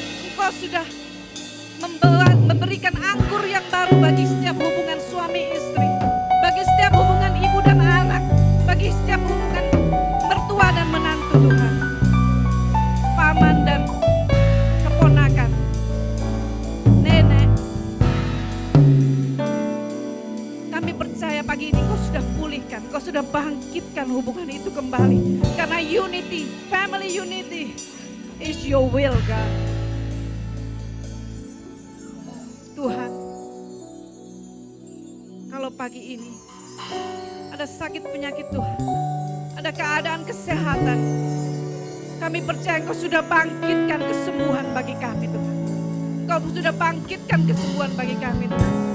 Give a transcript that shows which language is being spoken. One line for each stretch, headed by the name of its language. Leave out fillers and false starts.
Indonesian: Engkau sudah memberikan anggur yang baru bagi setiap hubungan suami istri, bagi setiap hubungan ibu dan anak, bagi setiap hubungan mertua dan menantu Tuhan, paman dan keponakan, nenek. Kami percaya pagi ini Engkau sudah pulihkan, Engkau sudah bangkitkan hubungan itu kembali. Karena
English: unity, family unity is your will God.
Indonesian: Tuhan, kalau pagi ini ada sakit penyakit Tuhan, ada keadaan kesehatan, kami percaya Engkau sudah bangkitkan kesembuhan bagi kami Tuhan. Engkau sudah bangkitkan kesembuhan bagi kami Tuhan.